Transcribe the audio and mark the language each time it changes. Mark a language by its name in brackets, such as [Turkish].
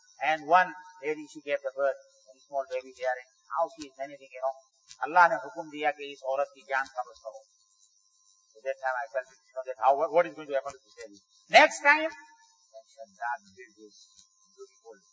[English] And one lady, she gave the birth, a small baby there, how she is anything, you know. [Urdu] اللہ نے حکم دیا کہ اس عورت کی جان قبض کرو. [English] So that time I felt it, that how, what is going to happen to this lady. Next time, mention that this is beautiful.